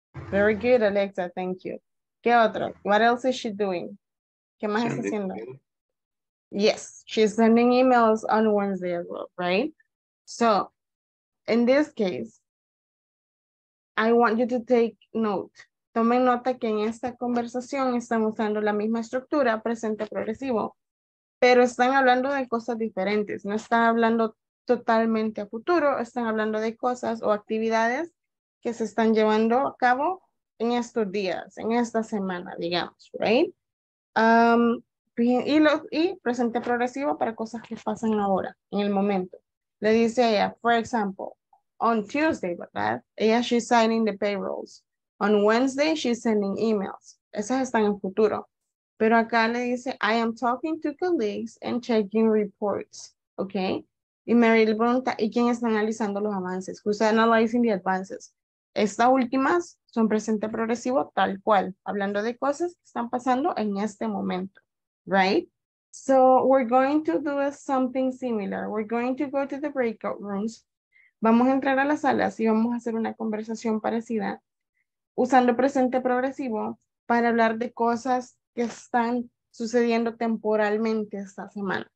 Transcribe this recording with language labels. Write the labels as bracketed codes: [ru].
[en] Very good, Alexa. Thank you. [es] ¿Qué otro? [en] What else is she doing? [es] ¿Qué más está haciendo? [en] Yes, she's sending emails on Wednesday as well, right? So, in this case, I want you to take note. [es] Tomen nota que en esta conversación están usando la misma estructura, presente progresivo, pero están hablando de cosas diferentes. No están hablando totalmente a futuro, están hablando de cosas o actividades que se están llevando a cabo en estos días, en esta semana, digamos, right? Y presente progresivo para cosas que pasan ahora, en el momento. Le dice ella, [en] for example, on Tuesday, [es] ¿verdad? [en] Ella, she's signing the payrolls. On Wednesday, she's sending emails. [es] Esas están en futuro. Pero acá le dice, [en] I am talking to colleagues and checking reports, okay? [es] Y Mary le pregunta, ¿y quién está analizando los avances? [en] Who's analyzing the advances? [es] Estas últimas son presente progresivo tal cual, hablando de cosas que están pasando en este momento. [en] Right? So we're going to do something similar. We're going to go to the breakout rooms. [es] Vamos a entrar a las salas y vamos a hacer una conversación parecida usando presente progresivo para hablar de cosas que están sucediendo temporalmente esta semana.